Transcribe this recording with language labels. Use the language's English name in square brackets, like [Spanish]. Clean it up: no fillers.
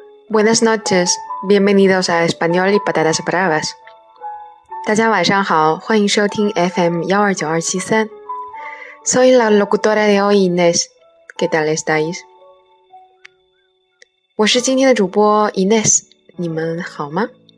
[Spanish] Buenas noches, bienvenidos a Español y Patatas Bravas. [Chinese] 大家晚上好，欢迎收听 FM 129273。 [Spanish] Soy la locutora de hoy, Inés. ¿Qué tal estáis? [Chinese] 我是今天的主播 Inés, 你们好吗？